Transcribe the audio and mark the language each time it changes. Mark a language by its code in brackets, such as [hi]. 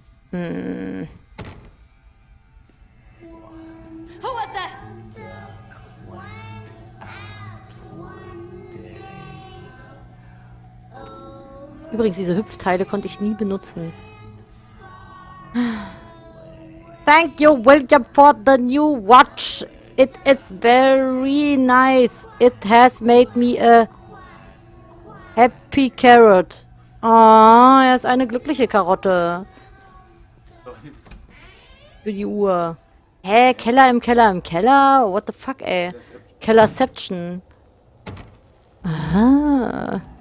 [de] Hm. Übrigens, diese Hüpfteile konnte ich nie benutzen. [en] Thank you, William, for the new watch. It is very nice. It has made me a happy carrot. [de] Oh, er ist eine glückliche Karotte. Für die Uhr. Hä, Keller im Keller im Keller? [en] What the fuck, [de] ey? Kellerception. Aha.